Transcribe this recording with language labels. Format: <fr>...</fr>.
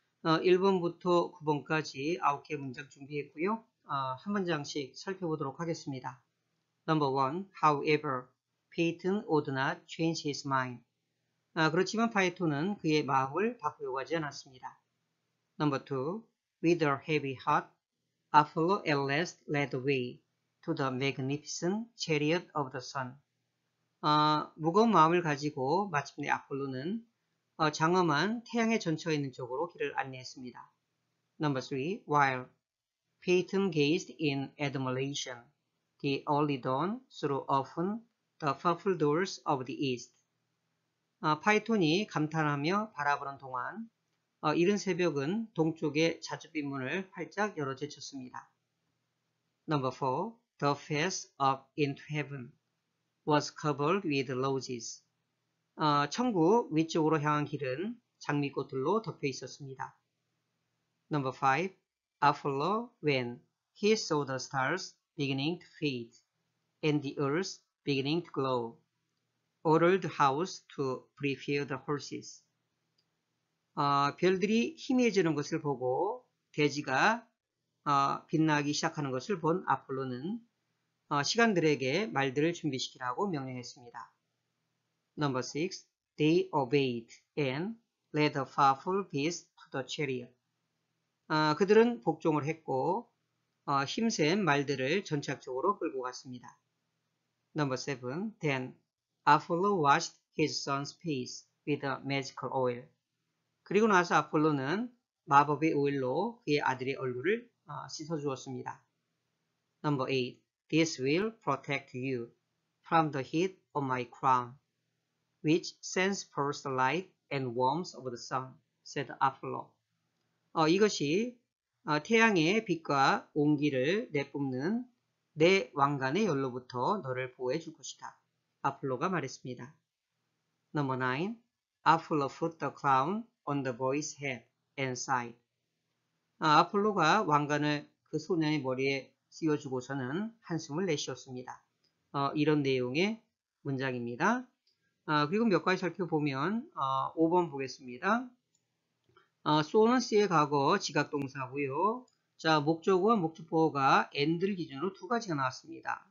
<ko>1번부터 9번까지 9개 문장 준비했고요. 한 문장씩 살펴보도록 하겠습니다.</ko> <en>Number 1. However, Peyton would not change his mind.</en> <ko>그렇지만 파이톤은 그의 마음을 바꾸려고 하지 않았습니다.</ko> <en>Number 2. With a heavy heart, Apollo at last led the way to the magnificent chariot of the sun.</en> <ko>무거운 마음을 가지고 마침내 아폴로는 장엄한 태양의 전처에 있는 쪽으로 길을 안내했습니다.</ko> <en>Number 3. While Peyton gazed in admiration, the early dawn threw open the purple doors of the east.</en> <ko>파이톤이 감탄하며 바라보는 동안 이른 새벽은 동쪽의 자줏빛 문을 활짝 열어제쳤습니다.</ko> <en>Number 4. The face up into heaven was covered with roses.</en> <ko>천국 위쪽으로 향한 길은 장미꽃들로 덮여 있었습니다.</ko> <en>Number 5. Apollo, when he saw the stars beginning to fade and the earth beginning to glow, ordered the house to prepare the horses.</en> <ko>별들이 희미해지는 것을 보고 대지가 빛나기 시작하는 것을 본 아폴로는 시간들에게 말들을 준비시키라고 명령했습니다.</ko> <en>Number 6. They obeyed and led the powerful beast to the chariot.</en> <ko>그들은 복종을 했고 힘센 말들을 전차 쪽으로 끌고 갔습니다.</ko> <en>Number 7. Then Apollo washed his son's face with a magical oil.</en> <ko>그리고 나서 아폴로는 마법의 오일로 그의 아들의 얼굴을 씻어주었습니다.</ko> <en>Number 8. This will protect you from the heat of my crown, which sends forth the light and warmth of the sun, said Apollo.</en> <ko>이것이 태양의 빛과 온기를 내뿜는 내 왕관의 열로부터 너를 보호해 줄 것이다. 아폴로가 말했습니다.</ko> <en>Number 9. Apollo put the crown on the boy's head and sighed.</en> <ko>아폴로가 왕관을 그 소년의 머리에 씌워주고서는 한숨을 내쉬었습니다. 이런 내용의 문장입니다. 그리고 몇 가지 살펴보면 5번 보겠습니다. 소는 씨의 과거 지각동사고요. 자, 목적어와 목적보어가 and를 기준으로 두 가지가 나왔습니다.</ko>